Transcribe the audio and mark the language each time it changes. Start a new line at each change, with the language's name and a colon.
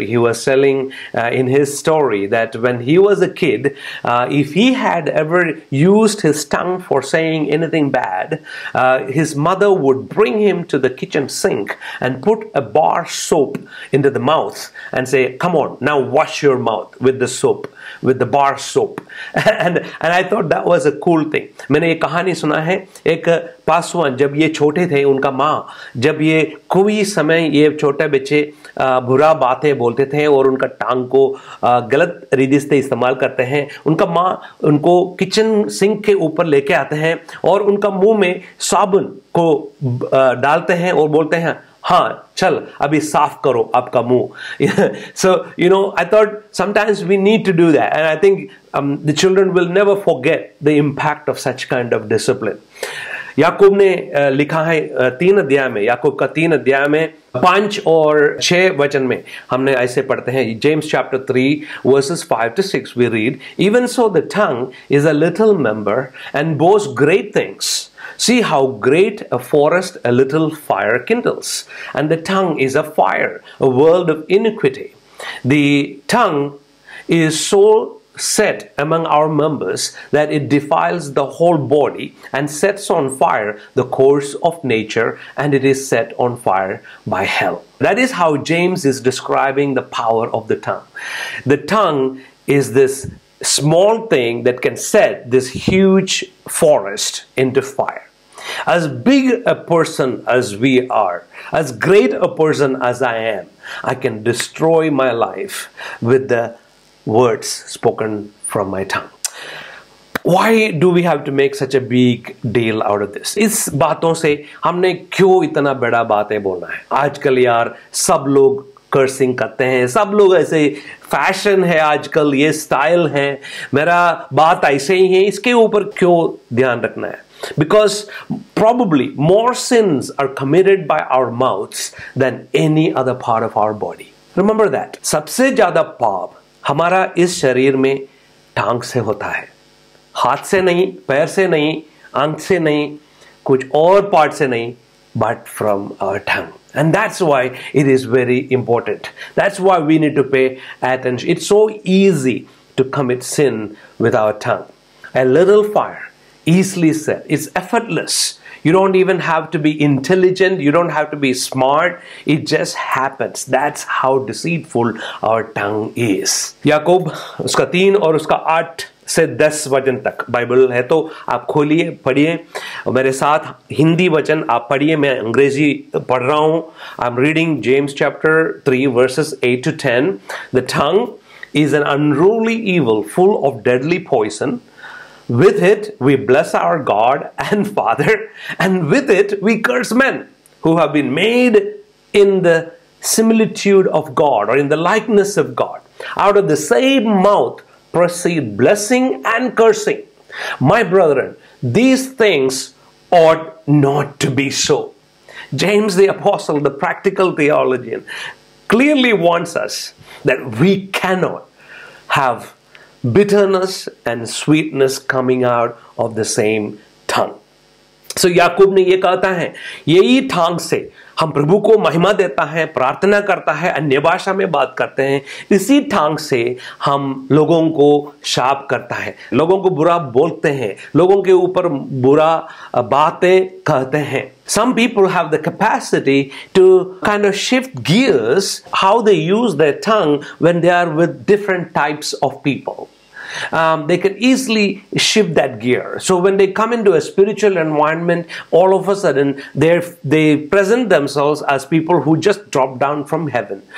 English: He was telling in his story that when he was a kid, if he had ever used his tongue for saying anything bad, his mother would bring him to the kitchen sink and put a bar soap into the mouth and say, "Come on, now wash your mouth with the soap, with the bar soap." And I thought that was a cool thing.
Hindi: मैंने एक कहानी सुना है. एक पासवान जब ये छोटे थे, उनका माँ जब ये कोई समय ये छोटे बच्चे बुरा बातें बोलते थे और उनका टांग को गलत रीति से इस्तेमाल करते हैं, उनका माँ उनको किचन सिंक के ऊपर लेके आते हैं और उनका मुंह में साबुन को डालते हैं और बोलते हैं, "हाँ चल अभी साफ करो आपका मुंह."
English: So you know, I thought sometimes we need to do that, and I think the children will never forget the impact of such kind of discipline.
Hindi: याकूब ने लिखा है तीन अध्याय में, याकूब का तीन अध्याय में पांच और छह वचन में हमने ऐसे पढ़ते हैं.
English: James chapter 3 verses 5-6 we read, "even so the tongue is a little member and boast great things. See how great a forest a little fire kindles. And the tongue is a fire, a world of iniquity. The tongue is so set among our members that it defiles the whole body and sets on fire the course of nature, and it is set on fire by hell." That is how James is describing the power of the tongue. The tongue is this small thing that can set this huge forest into fire. As big a person as we are, as great a person as I am, I can destroy my life with the words spoken from my tongue. Why do we have to make such a big deal out of this?
Hindi: इस बातों से हमने क्यों इतना बड़ा बातें बोलना है? आजकल यार सब लोग कर्सिंग करते हैं, सब लोग ऐसे फैशन है आजकल, ये स्टाइल है, मेरा बात ऐसे ही है, इसके ऊपर क्यों ध्यान रखना है?
English: Because probably more sins are committed by our mouths than any other part of our body. Remember that.
Hindi: सबसे ज्यादा पाप हमारा इस शरीर में टांग से होता है. हाथ से नहीं, पैर से नहीं, आंख से नहीं, कुछ और पार्ट से नहीं,
English: but from our tongue. And that's why it is very important. That's why we need to pay attention. It's so easy to commit sin with our tongue. A little fire, easily set. It's effortless. You don't even have to be intelligent. You don't have to be smart. It just happens. That's how deceitful our tongue is.
Hindi: Yaakob, uska 3 aur uska 8 से 10 वचन तक Bible है, तो आप खोलिए, पढ़िए मेरे साथ. हिंदी वचन आप पढ़िए, मैं अंग्रेजी पढ़ रहा हूँ.
English: I am reading James chapter 3 verses 8-10. The tongue is an unruly evil full of deadly poison. With it we bless our God and Father, and with it we curse man who have been made in the similitude of God और in the likeness of God. Out of the same mouth proceed blessing and cursing. My brethren, these things ought not to be so. James the Apostle, the practical theologian, clearly wants us that we cannot have bitterness and sweetness coming out of the same tongue.
Hindi: So याकूब ने ये कहता है, यही टांग से हम प्रभु को महिमा देता है, प्रार्थना करता है, अन्य भाषा में बात करते हैं, इसी टांग से हम लोगों को शाप करता है, लोगों को बुरा बोलते हैं, लोगों के ऊपर बुरा बातें कहते हैं.
English: Some people have the capacity to kind of shift gears how they use their tongue when they are with different types of people. they can easily shift that gear. So when they come into a spiritual environment, all of a sudden they present themselves as people who just dropped down from heaven.